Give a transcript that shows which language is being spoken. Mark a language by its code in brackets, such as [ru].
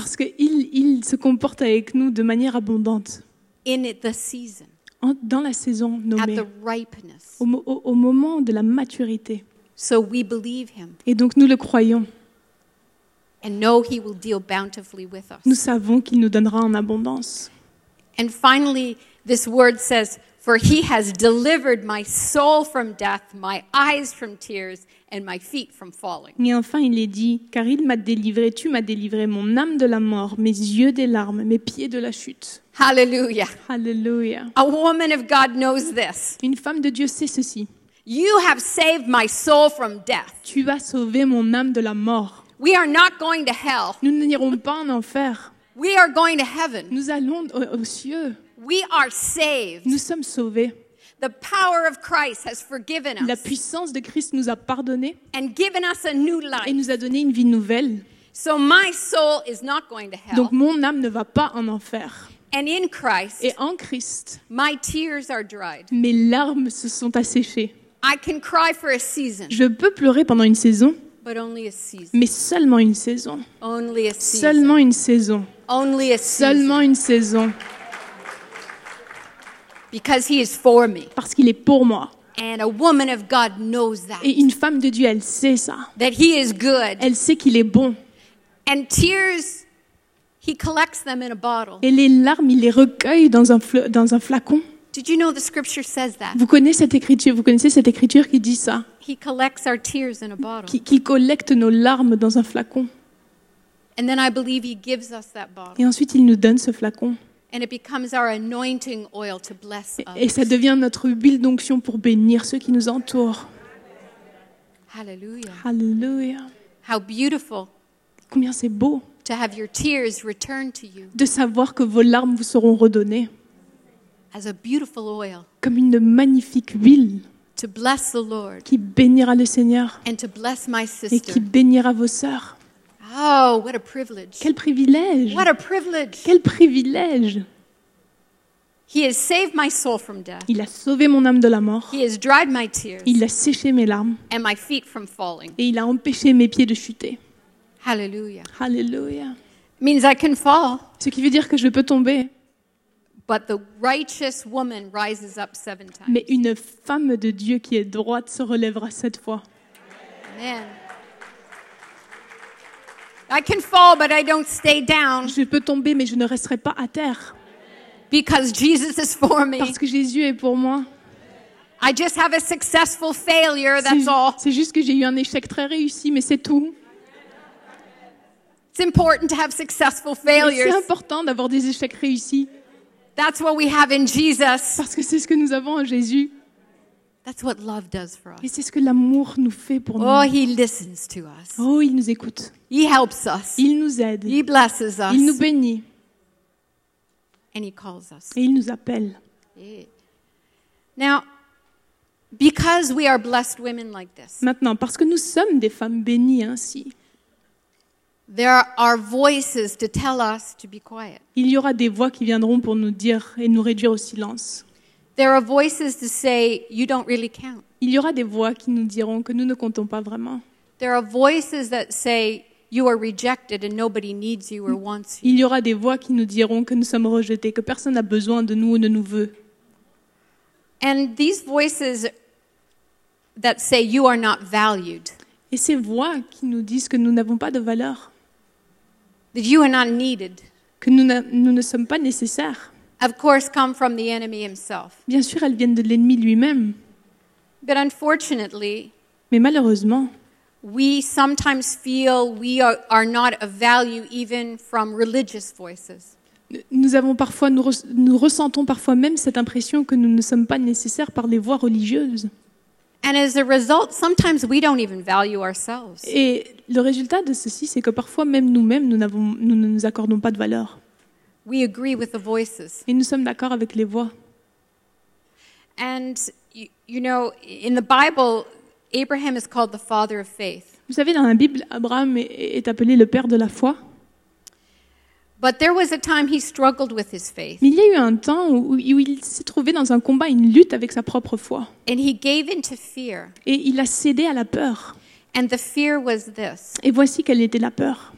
[fr] Parce qu'il se comporte avec nous de manière abondante. [en] In the season. [fr] Dans la saison nommée. [en] At the ripeness. [fr] Au moment de la maturité. [en] So we believe him. [fr] Et donc nous le croyons. [en] And know he will deal bountifully with us. [fr] Nous savons qu'il nous donnera en abondance. [en] And finally, this word says, "For he has delivered my soul from death, my eyes from tears, and my feet from falling." [fr] Et enfin, il est dit, car il m'a délivré, tu m'as délivré, mon âme de la mort, mes yeux des larmes, mes pieds de la chute. Hallelujah. Hallelujah. [en] A woman of God knows this. [fr] Une femme de Dieu sait ceci. [en] You have saved my soul from death. [fr] Tu as sauvé mon âme de la mort. [en] We are not going to hell. [fr] Nous n'irons pas en enfer. [en] We are going to heaven. [fr] Nous allons aux cieux. [en] We are saved. [fr] Nous sommes sauvés. [en] The power of Christ has forgiven us. [fr] La puissance de Christ nous a pardonnés. [en] And given us a new life. [fr] Et nous a donné une vie nouvelle. [en] So my soul is not going to hell. [fr] Donc mon âme ne va pas en enfer. [en] And in Christ. [fr] Et en Christ. [en] My tears are dried. [fr] Mes larmes se sont asséchées. [en] I can cry for a season. [fr] Je peux pleurer pendant une saison. [en] But only a season. [fr] Mais seulement une saison. [en] Only a season. [fr] Seulement une saison. [en] Only a season. [fr] Seulement une saison. [en] Because he is for me. [fr] Parce qu'il est pour moi. [en] And a woman of God knows that. [fr] Et une femme de Dieu, elle sait ça. [en] That he is good. [fr] Elle sait qu'il est bon. [en] And tears, he collects them in a bottle. [fr] Et les larmes, il les recueille dans un flacon. [en] Did you know the scripture says that? [fr] Vous connaissez cette écriture qui dit ça? [en] He collects our tears in a bottle. [fr] Qu'il collecte nos larmes dans un flacon. [en] And then I believe he gives us that bottle. [fr] Et ensuite, il nous donne ce flacon. [en] And it becomes our anointing oil to bless others. [fr] Et ça devient notre huile d'onction pour bénir ceux qui nous entourent. Hallelujah. Hallelujah. [en] How beautiful. [fr] Combien c'est beau. [en] To have your tears returned to you. [fr] De savoir que vos larmes vous seront redonnées. [en] as a beautiful oil, [fr] comme une magnifique huile [en] to bless the Lord, [fr] qui bénira le Seigneur [en] and to bless my sister. [fr] Et qui bénira vos sœurs. [en] Oh, what a privilege. [fr] Quel privilège. [en] What a privilege. [fr] Quel privilège. [en] He has saved my soul from death. [fr] Il a sauvé mon âme de la mort. [en] He has dried my tears. [fr] Il a séché mes larmes. [en] And my feet from falling. [fr] Et il a empêché mes pieds de chuter. Hallelujah. Hallelujah. [en] Means I can fall. [fr] Ce qui veut dire que je peux tomber. [en] But the righteous woman rises up seven times. [fr] Mais une femme de Dieu qui est droite se relèvera sept fois. [en] Amen. I can fall, but I don't stay down. [fr] Je peux tomber, mais je ne resterai pas à terre. [en] Because Jesus is for me. [fr] Parce que Jésus est pour moi. [en] I just have a successful failure, that's all. [fr] C'est juste que j'ai eu un échec très réussi, mais c'est tout. [en] It's important to have successful failures. [fr] C'est important d'avoir des échecs réussis. [en] That's what we have in Jesus. [fr] Parce que c'est ce que nous avons en Jésus. [en] That's what love does for us. [fr] Et c'est ce que l'amour nous fait pour oh, nous. [en] Oh, he listens to us. [fr] Oh, il nous écoute. [en] He helps us. [fr] Il nous aide. [en] He blesses us. [fr] Il nous bénit. [en] And he calls us. [fr] Et il nous appelle. [en] Now, because we are blessed women like this. [fr] Maintenant, parce que nous sommes des femmes bénies ainsi. [en] There are voices to tell us to be quiet. [fr] Il y aura des voix qui viendront pour nous dire et nous réduire au silence. [en] There are voices to say you don't really count. [fr] Il y aura des voix qui nous diront que nous ne comptons pas vraiment. [en] There are voices that say you are rejected and nobody needs you or wants you. [fr] Il y aura des voix qui nous diront que nous sommes rejetés, que personne n'a besoin de nous ou ne nous veut. [en] And these voices that say you are not valued. [fr] Et ces voix qui nous disent que nous n'avons pas de valeur. [en] That you are not needed. [fr] Que nous ne sommes pas nécessaires. [en] Of course, come from the enemy himself. [fr] Bien sûr, elles viennent de l'ennemi lui-même. [en] But unfortunately, [fr] mais malheureusement, [en] we sometimes feel we are not of value even from religious voices. [fr] Nous avons parfois, nous ressentons parfois même cette impression que nous ne sommes pas nécessaires par les voies religieuses. [en] And as a result, sometimes we don't even value ourselves. [fr] Et le résultat de ceci, c'est que parfois même nous-mêmes, nous ne nous accordons pas de valeur. [en] We agree with the voices. [fr] Et nous sommes d'accord avec les voix. [en] And you know, in the Bible, Abraham is called the father of faith. [fr] Vous savez, dans la Bible, Abraham est appelé le père de la foi. [en] But there was a time he struggled with his faith. [fr] Mais il y a eu un temps où il s'est trouvé dans un combat, une lutte avec sa propre foi. [en] And he gave in to fear. [fr] Et il a cédé à la peur. [en] And the fear was this. [fr] Et voici quelle était la peur.